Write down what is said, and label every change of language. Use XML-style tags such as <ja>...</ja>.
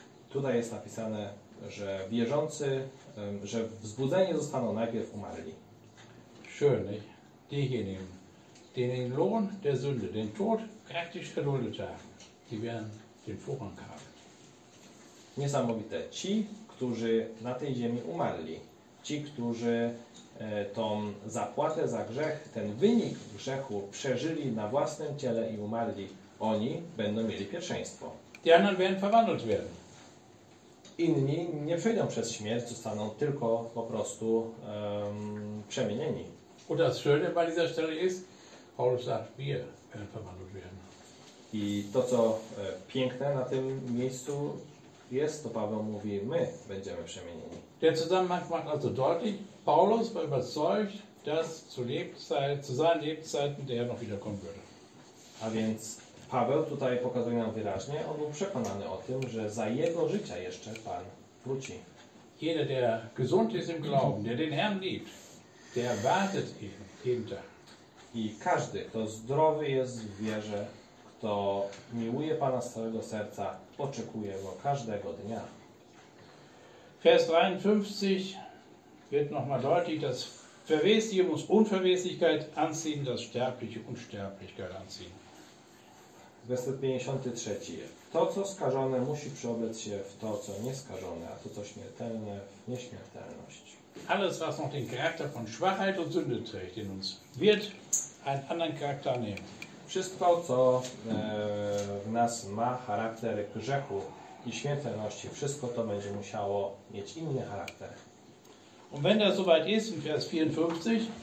<pl>Tutaj jest napisane, że wierzący, że wzbudzeni zostaną najpierw umarli.</pl> <de>Schön, nicht? Diejenigen, die den Lohn der Sünde, den Tod praktisch geduldet haben, die werden den Vorrang haben.</de> <pl>Niesamowite. Ci, którzy na tej ziemi umarli, ci, którzy tą zapłatę za grzech, ten wynik grzechu przeżyli na własnym ciele i umarli, oni będą mieli pierwszeństwo.</pl> <de>Die anderen werden verwandelt werden.</de> <pl>Inni nie przejdą przez śmierć, zostaną tylko po prostu przemienieni.</pl> <de>Und das Schöne bei dieser Stelle ist, Paulus sagt, wir werden verwandelt werden.</de> <pl>I to, co piękne na tym miejscu jest, to Paweł mówi, my będziemy przemienieni.</pl> <de>Der Zusammenhang macht also deutlich, Paulus war überzeugt, dass zu seinen Lebzeiten der noch wiederkommen würde.</de> <pl>A więc Paweł tutaj pokazuje nam wyraźnie, on był przekonany o tym, że za jego życia jeszcze Pan wróci.</pl> <de>Jeder, der gesund ist im Glauben, der den Herrn liebt, der wartet jeden Tag.</de> <pl>I każdy, kto zdrowy jest w wierze, kto miłuje Pana z całego serca, oczekuje go każdego dnia.</pl> <de>Vers 53 wird nochmal deutlich, dass Verwesliche muss Unverweslichkeit anziehen, dass Sterbliche Unsterblichkeit anziehen.</de> <pl>Werset 53. To, co skażone, musi przeobleć się w to, co nieskażone, a to, co śmiertelne, w nieśmiertelność.</pl> <de>Alles, was noch den Charakter von Schwachheit und Sünde trägt in uns, wird einen anderen Charakter nehmen.</de> <pl>Wszystko, co w nas ma charakter grzechu i śmiertelności, wszystko to będzie musiało mieć inny charakter.</pl> <de>Und wenn das soweit ist, in Vers 54,</de>